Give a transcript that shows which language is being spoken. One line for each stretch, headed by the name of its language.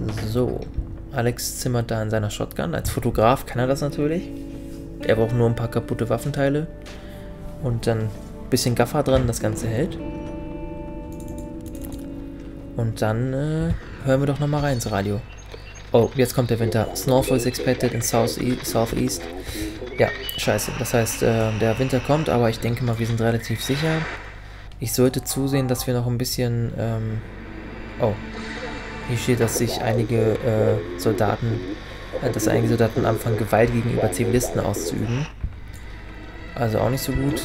German: So. Alex zimmert da in seiner Shotgun. Als Fotograf kann er das natürlich. Er braucht nur ein paar kaputte Waffenteile. Und dann ein bisschen Gaffer dran, das Ganze hält. Und dann hören wir doch nochmal rein ins Radio. Oh, jetzt kommt der Winter.
English: Snowfall is expected in Southeast.
German: Ja, scheiße. Das heißt, der Winter kommt, aber ich denke mal, wir sind relativ sicher. Ich sollte zusehen, dass wir noch ein bisschen... Hier steht, dass sich einige Soldaten... dass einige Soldaten anfangen, Gewalt gegenüber Zivilisten auszuüben. Also auch nicht so gut.